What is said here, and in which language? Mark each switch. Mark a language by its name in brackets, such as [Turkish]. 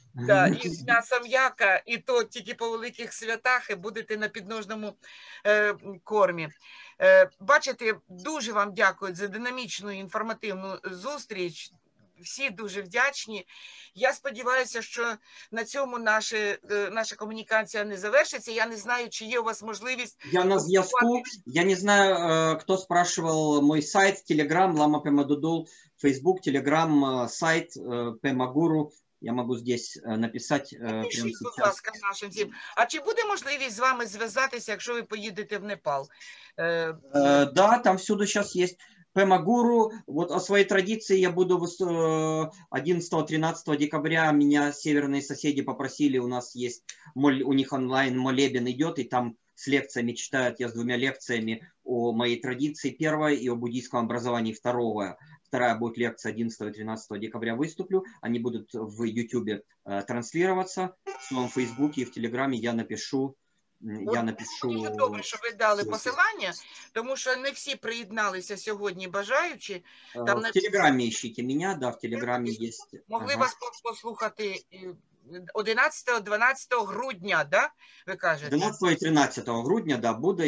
[Ukrainian] Да, і з м'яса м'яка, і то тільки по великих святах, і будете на підножному кормі. Бачите, дуже вам дякую за динамічну інформативну зустріч. Всі дуже вдячні. Я сподіваюся, що на цьому наша комунікація не завершиться. Я не знаю, чи є у вас можливість... Я на зв'язку. Я не знаю, хто спрашував [Russian] мой [Ukrainian] сайт, Телеграм, Лама Пема Дудул, Фейсбук, Телеграм, сайт Пема Гуру. Я можу [Russian] здесь [Ukrainian] написати прямо зараз. Будь ласка, нашим всім. А чи буде можливість з вами зв'язатися, якщо ви поїдете в Непал? Да, там всюди зараз є... [Russian] Пема Гуру, вот о своей традиции я буду 11-13 декабря, меня северные соседи попросили, у нас есть, у них онлайн молебен идет, и там с лекциями читают, я с двумя лекциями о моей традиции первой и о буддийском образовании второго. Вторая будет лекция 11-13 декабря, выступлю, они будут в YouTube транслироваться, в своем Фейсбуке и в Телеграме я напишу. Я напишу. [Ukrainian] Дуже добре, що ви дали посилання, тому що не всі приєдналися сьогодні бажаючи. Там в Телеграмі [Russian] ищите [Ukrainian] мене, да, в Телеграмі є. Могли вас послухати 11-12 грудня, да, ви кажете? 11-13 грудня, да, буде.